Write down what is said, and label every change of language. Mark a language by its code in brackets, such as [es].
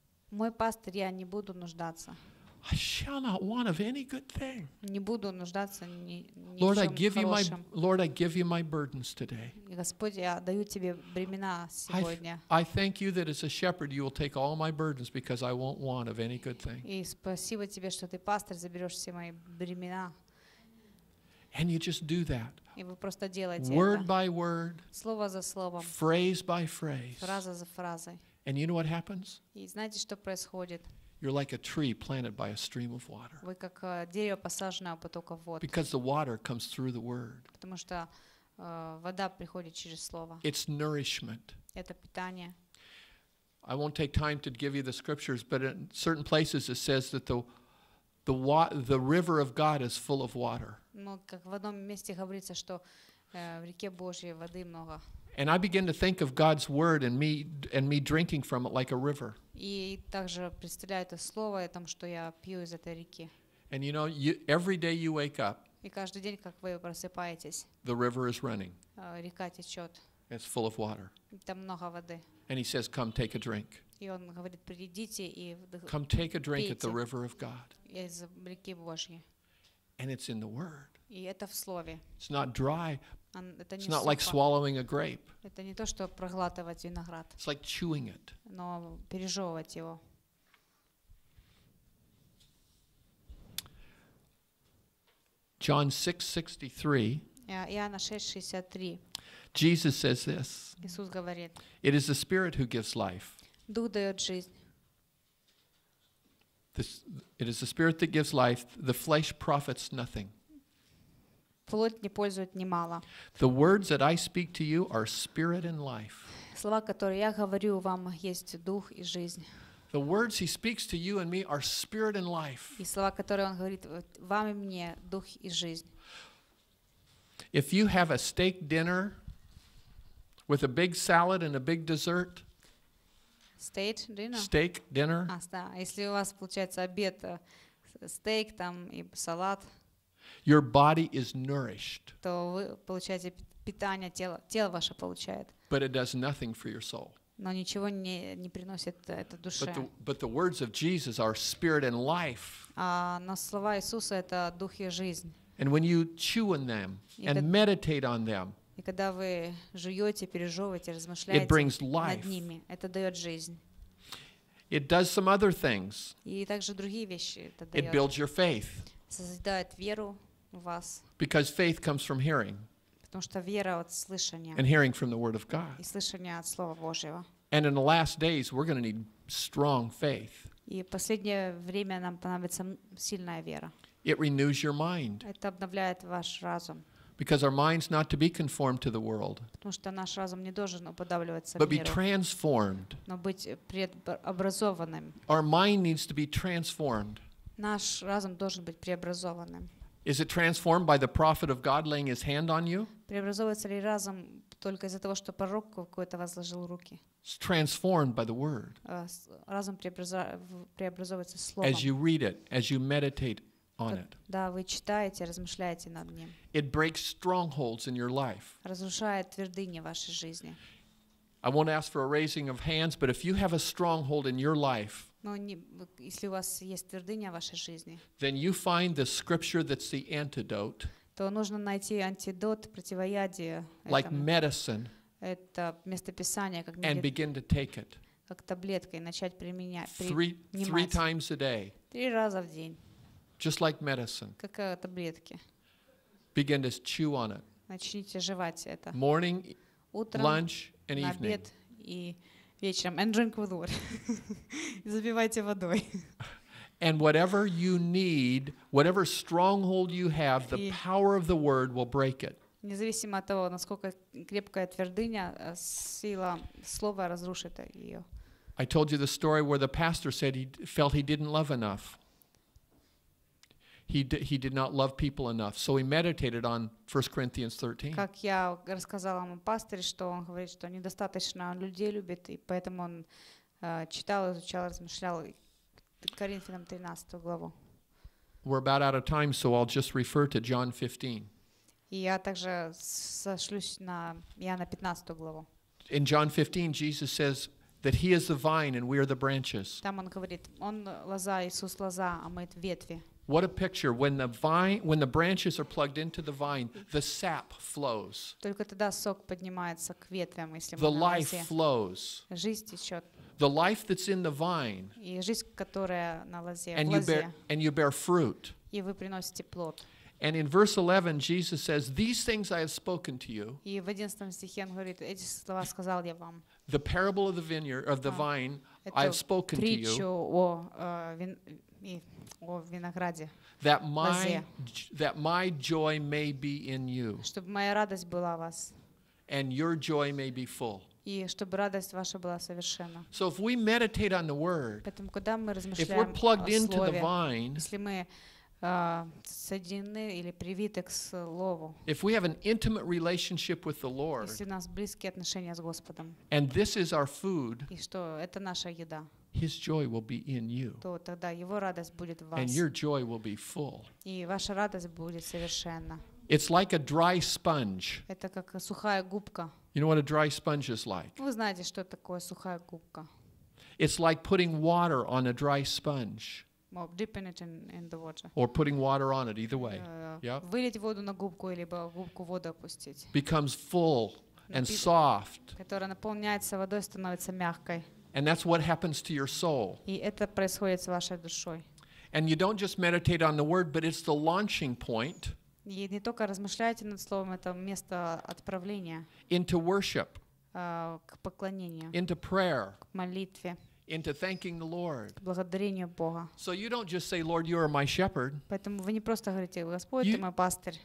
[ru] Мой пастырь, я не буду нуждаться. [en] I shall not want of any good thing. [ru] Не буду нуждаться ни [en] Lord, I give you my Lord, I give you my burdens today. [ru] Господи, я даю тебе бремена сегодня. [en] I thank you that as a shepherd you will take all my burdens because I won't want of any good thing. [ru] И спасибо тебе, что ты пастырь, заберешь все мои бремена. [en] And you just do that. [ru] И вы просто делаете это. [en] Word by word. [ru] Слово за словом. [en] Phrase by phrase. [ru] Фраза за фразой. [en] And you know what happens? [ru] И знаете, что происходит? [en] You're like a tree planted by a stream of water. [ru] Вы как дерево, посаженное у потока вод. [en] Because the water comes through the word. [ru] Потому что вода приходит через слово. [en] It's nourishment. [ru] Это питание. [en] I won't take time to give you the scriptures, but in certain places it says that the river of God is full of water. [ru] Ну, как в одном месте говорится, что в реке Божьей воды много. [en] And I begin to think of God's word and me drinking from it like a river. [ru] И также представляю это слово о том, что я пью из этой реки. [en] And you know, every day you wake up. [ru] И каждый день, как вы просыпаетесь. [en] The river is running. [ru] Река течет. [en] It's full of water. [ru] Там много воды. [en] And he says, "Come, take a drink." [ru] И он говорит: "Придите и пейте." [en] Come, take a drink at the river of God. [ru] Из реки Божьей. [en] And it's in the word. [ru] И это в слове. [en] It's not dry. [ru] Это [en] it's not like swallowing a grape. [ru] Это не то, что проглатывать виноград. [en] It's like chewing it. [ru] Но пережевывать его. [en] John 6:63. [ru] Иоанна 6:63. [en] Jesus says this. [ru] Иисус говорит. [en] It is the Spirit who gives life. [ru] Дух дает жизнь. [en] It is the Spirit that gives life. The flesh profits nothing. [ru] Плоть не пользует немало. [en] The words that I speak to you are spirit and life. [ru] Слова, которые я говорю вам, есть дух и жизнь. [en] The words he speaks to you and me are spirit and life. [ru] И слова, которые он говорит вам и мне, дух и жизнь. [en] If you have a steak dinner with a big salad and a big dessert. Steak dinner. Steak dinner. [ru] Если у вас получается обед, стейк там и салат. [en] Your body is nourished. [ru] То вы получаете питание, тело ваше получает. [en] But it does nothing for your soul. [ru] Но ничего не приносит это душе. [en] But the words of Jesus are spirit and life. [ru] Но слова Иисуса — это дух и жизнь. [en] And when you chew on them and meditate on them. [ru] И когда вы жуете, пережевываете, размышляете над ними, это дает жизнь. [en] It does some other things. [ru] И также другие вещи это дает. [en] It builds your faith. [ru] Создает веру в вас. [en] Because faith comes from hearing. [ru] Потому что вера от слышания. [en] And hearing from the word of God. [ru] И слышание от слова Божьего. [en] And in the last days, we're going to need strong faith. [ru] И в последнее время нам понадобится сильная вера. [en] It renews your mind. [ru] Это обновляет ваш разум. [en] Because our mind's not to be conformed to the world. [ru] Потому что наш разум не должен уподобляться миру. [en] But be transformed. [ru] Но быть преобразованным. [en] Our mind needs to be transformed. [ru] Наш разум должен быть преобразованным. [en] Is it transformed by the prophet of God laying his hand on you? [ru] Преобразовывается ли разум только из-за того, что пророк какой-то возложил руки? [en] It's transformed by the word. [ru] Разум преобразовывается словом. [en] As you read it, as you meditate on it. [ru] Да, вы читаете, размышляете над ним. [en] It breaks strongholds in your life. [ru] Разрушает твердыни в вашей жизни. [en] I won't ask for a raising of hands, but if you have a stronghold in your life, [ru] но не, если у вас есть твердыня в вашей жизни, [en] then you find the scripture that's the antidote. [ru] То нужно найти антидот, противоядие. [en] Like medicine. [ru] Это местописание, как [en] and begin to take it. [ru] Как таблетка и начать применять. [en] Three times a day. [ru] Три раза в день. [en] Just like medicine. [ru] Как таблетки. [en] Begin to chew on it. [ru] Начните жевать это. [en] Morning, [ru] утром, [en] lunch, and [ru] на [en] evening. [ru] Обед и вечером. [en] And drink with water. [ru] И запивайте водой. [en] And whatever you need, whatever stronghold you have, the power of the word will break it. [ru] Независимо от того, насколько крепкая твердыня, сила слова разрушит ее. [en] I told you the story where the pastor said he felt he didn't love enough. He did not love people enough, so he meditated on 1 Corinthians 13. [ru] Как я рассказала ему пастырь, что он говорит, что недостаточно он людей любит, и поэтому он читал, изучал, размышлял Коринфянам 13 главу. [en] We're about out of time, so I'll just refer to John 15. [ru] И я также сошлюсь на Иоанна 15 главу. [en] In John 15, Jesus says that he is the vine and we are the branches. [ru] Там он говорит, он лоза, Иисус лоза, а мы ветви. [en] What a picture. When the branches are plugged into the vine, the sap flows. [ru] Только тогда сок поднимается к ветвям, если мы на лозе. [en] The life flows. [ru] Жизнь течет. [en] The life that's in the vine. [ru] И жизнь, которая на лозе. [en] And you bear, and you bear fruit. [ru] И вы приносите плод. [en] And in verse 11, Jesus says, "These things I have spoken to you." [ru] И в 11 стихе он говорит, эти слова сказал я вам. [en] The parable of the vineyard of the vine, I have spoken to you. [ru] Эту притчу о винограде. [en] That my joy may be in you. [ru] Чтобы моя радость была в вас. [en] And your joy may be full. [ru] И чтобы радость ваша была совершенна. [en] So if we meditate on the word, [ru] поэтому когда мы размышляем, [en] if we're plugged into the vine, [ru] если мы соединены или привиты к слову. [en] If we have an intimate relationship with the Lord, [ru] если у нас близкие отношения с Господом, [en] and this is our food, [ru] и что это наша еда, [en] His joy will be in you, [ru] то тогда Его радость будет в вас, [en] and your joy will be full, [ru] и ваша радость будет совершенна. [en] It's like a dry sponge. [ru] Это как сухая губка. [en] You know what a dry sponge is like? [ru] Вы знаете, что такое сухая губка? [en] It's like putting water on a dry sponge. Well, dipping it in the water. Or putting water on it, either way. [ru] Вылить воду на губку или губку воду опустить. [en] Becomes full and soft. [ru] Которая наполняется водой, становится мягкой. [en] And that's what happens to your soul. [ru] И это происходит с вашей душой. [en] And you don't just meditate on the word, but it's the launching point. [ru] И не только размышляете над словом, это место отправления. [en] Into worship. [ru] К поклонению. [en] Into prayer. [ru] К молитве. [en] Into thanking the Lord. [ru] К благодарению Бога. [en] So you don't just say, Lord, you are my shepherd. [ru] Поэтому вы не просто говорите, Господь, ты мой пастырь.